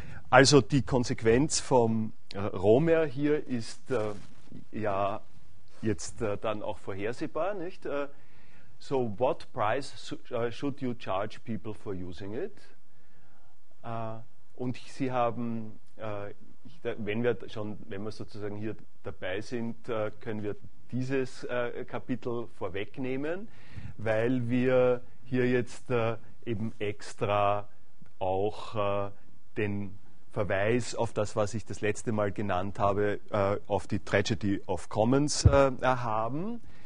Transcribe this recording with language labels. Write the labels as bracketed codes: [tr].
[de] Also die Konsequenz vom Romer hier ist ja jetzt dann auch vorhersehbar, nicht? [en] So what price should you charge people for using it? [de] Und sie haben, wenn wir sozusagen hier dabei sind, können wir dieses Kapitel vorwegnehmen, weil wir hier jetzt eben extra auch den Verweis auf das, was ich das letzte Mal genannt habe, auf die Tragedy of Commons haben.